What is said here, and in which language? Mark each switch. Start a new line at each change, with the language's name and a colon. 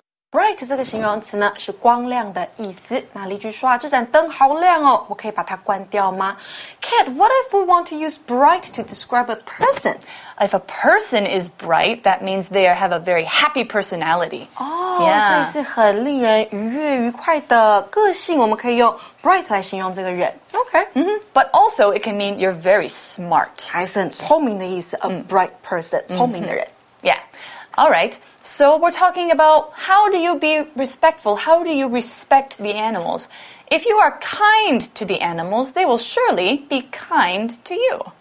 Chinese: Bright 这个形容词呢是光亮的意思。那例句说啊，这盏灯好亮哦，我可以把它关掉吗 ？
English: Kat, what if we want to use bright to describe a person? If a person is bright, that means they have a very happy personality. Oh, yeah.
Chinese: 所以是很令人愉悦愉快的个性，我们可以用 bright 来形容这个人。 Okay. Mm-hmm.
English: But also, it can mean you're very smart.
Chinese: 还是很聪明的意思 ，a bright person,、mm-hmm. 聪明的人。 Yeah.
English: All right, so we're talking about how do you be respectful? How do you respect the animals? If you are kind to the animals, they will surely be kind to you.